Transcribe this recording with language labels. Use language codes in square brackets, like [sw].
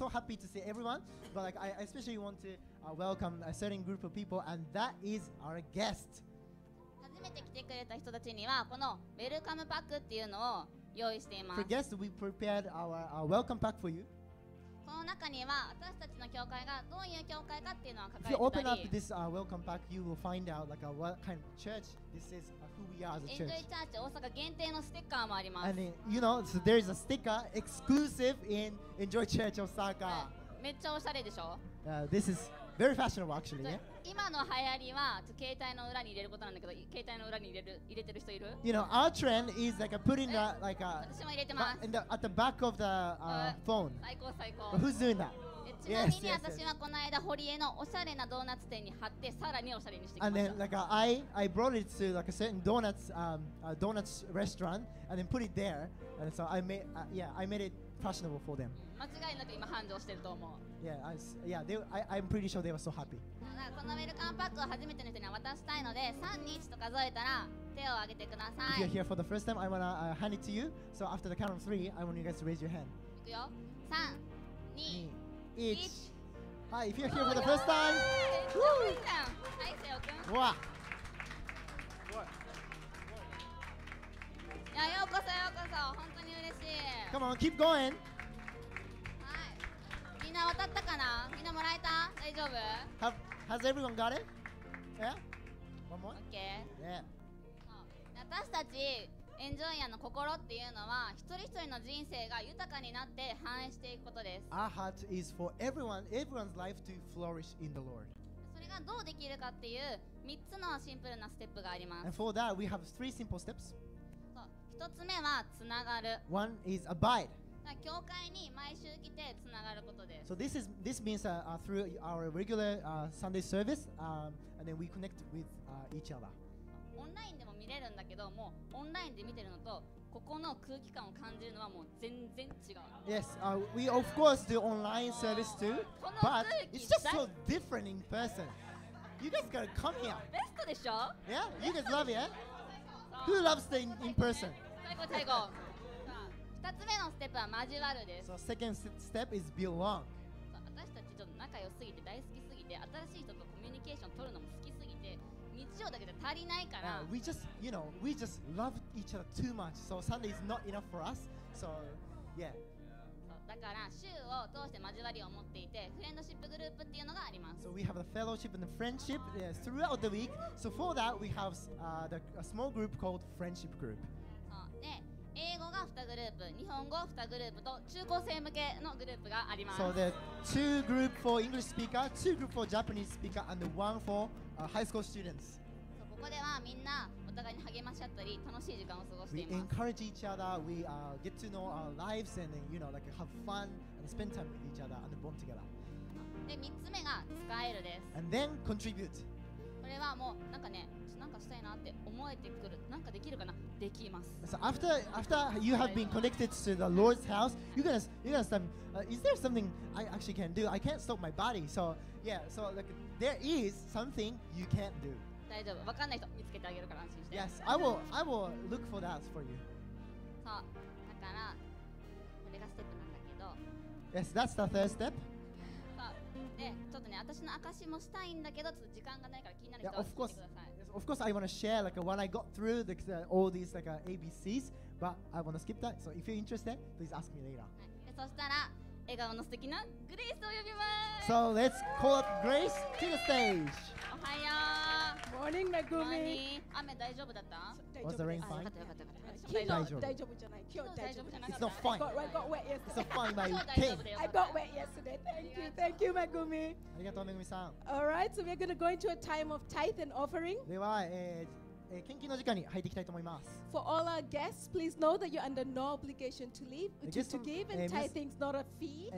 [en] I'm so happy to see everyone, but like, I especially want to welcome a certain group of people, and that is our guest. [ja] 初めて来てくれた人たちにはこのウェルカムパックっていうのを用意しています。 [en] For guests, we prepared our welcome pack for you. [ja] この中には私たちの教会がどういう教会かっていうのは書かれてたり、 [en] If you open up this welcome pack, you will find out like what kind of church this is. [ja] Enjoy Church 大阪限定のステッカーもあります。 [en] And you know, so there is a sticker exclusive in Enjoy Church Osaka. [ja] めっちゃおしゃれでしょ? [en] This is very fashionable actually. [ja] 今の流行りは携帯の裏に入れることなんだけど、携帯の裏に入れてる人いる? [en] You know, our trend is like putting that like a [ja] 私も入れてます。 [en] At the back of the phone. [ja] 最高最高。 [en] But who's doing that? [ja] ちなみに私はこの間堀江のおしゃれなドーナツ店に貼ってさらにおしゃれにしてきました。 [en] And then, like, I brought it to like a certain donuts, donuts restaurant and then put it there. And so I made, yeah, I made it fashionable for them. [ja] 間違いなく今繁盛してると思う。 [en] I'm pretty sure they were so happy. [ja] このウェルカムパックを初めての人に渡したいので、3日と数えたら手を挙げてください。 [en] If you're here for the first time, I wanna hand it to you. So after the count of three, I want you guys to raise your hand. [ja] いくよ。三、二、一。はい、 [en] If you're here for the first time. [ja] すごいじゃん。はい、せよくん。わ。いや、ようこそようこそ。本当に嬉しい。 [en] Come on, keep going. [ja] はい。みんな渡ったかな？みんなもらえた？大丈夫？ [en] Has everyone got it? Yeah? One more? Okay. Yeah. [ja] 私たちエンジョイヤの心っていうのは一人一人の人生が豊かになって反映していくことです。 [en] Our heart is for everyone, everyone's life to flourish in the Lord. [ja] それがどうできるかっていう3つのシンプルなステップがあります。 [en] And for that, we have three simple steps. [ja] 一つ目はつながる。 [en] One is abide. [ja] 教会に毎週来てつながることです。 [en] So this means through our regular Sunday service, and then we connect with each other. [ja] オンラインでも見れるんだけど、もうオンラインで見てるのとここの空気感を感じるのはもう全然違う。 [en] Yes, we of course do online service too, but it's just so different in person. You guys gotta come here. [ja] ベストでしょ [en] ？Yeah, you guys love it. Yeah? Who loves the in person? [ja] 最後。二つ目のステップは交わるです。 [en] So second step is belong. [ja] 私たちちょっと仲良すぎて大好きすぎて新しい人とコミュニケーション取るのも好きすぎて。日常だけじゃ足りないから。 [en] We just, you know, we just love each other too much. So Sunday is not enough for us. So, yeah. [ja] だから週を通して交わりを持っていて、フレンドシップグループっていうのがあります。 [en] So we have the fellowship and the friendship throughout the week. So for that, we have a small group called friendship group. [ja] で、英語が2グループ、日本語2グループと中高生向けのグループがあります。 [en] So the two group for English speaker, two group for Japanese speaker, and the one forhigh school students. [ja] So, ここではみんなお互いに励まし合ったり楽しい時間を過ごしています。 [en] We encourage each other. We get to know our lives and then, you know, like have fun and spend time with each other and bond together. [ja] で、3つ目が使えるです。 [en] And then contribute. [ja] これはもうなんかね、なんかしたいなって思えてくる。なんかできるかな？できます。 [en] So after you have been connected to the Lord's house, you're gonna say, is there something I actually can do? I can't stop my body. So yeah, so like. There is something you can't do. [ja] 大丈夫。わかんない人見つけてあげるから安心して。 [en] Yes, I will look for that for you. [ja] そう。だからこれがステップなんだけど。 [en] Yes, that's the third step. [ja] そう。で、ちょっとね、私の証もしたいんだけど、ちょっと時間がないから気になる人は聞いてください。 [en] Yeah, of course, I want to share like when I got through the all these like ABCs, but I want to skip that. So if you're interested, please ask me later. [ja] はい。で、そしたら。笑顔の素敵なグレイスを呼びます。 [en] So let's call up Grace to the stage. [ja] おはよう。 [en] Morning, Megumi. [ja] 雨大丈夫だった [en] ？Was the rain fine? [ja] 大丈夫。昨日大丈夫じゃない。今日大丈夫じゃない。 [en] It's not fine. I got wet yesterday. It's not fine, my king. I got wet yesterday. Thank you, Megumi. [ja] ありがとう、めぐみさん。 [en] All right, so we're going to go into a time of tithe and offering. [ja] では、献金の時間に入っていきたいと思います。 [en] For all our guests, please know that you're under no obligation to leave, to give, and tithing is not a fee.